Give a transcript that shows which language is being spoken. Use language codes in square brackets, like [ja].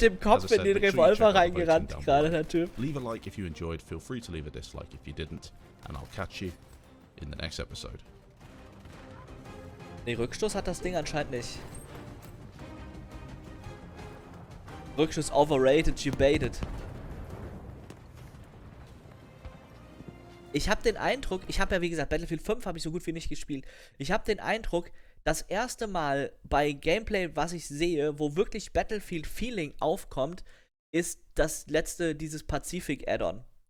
[de] Voll mit dem Kopf in den Revolver reingerannt, gerade der Typ. [en] Leave a like if you enjoyed. Feel free to leave a dislike if you didn't. And I'll catch you in the next episode. [de] Nee, Rückstoß hat das Ding anscheinend nicht. Rückstoß [en] overrated, you baited. [de] Ich habe den Eindruck, ich habe ja wie gesagt, Battlefield 5 habe ich so gut wie nicht gespielt. Ich habe den Eindruck, das erste Mal bei Gameplay, was ich sehe, wo wirklich Battlefield-Feeling aufkommt, ist das letzte, dieses Pacific-Add-on.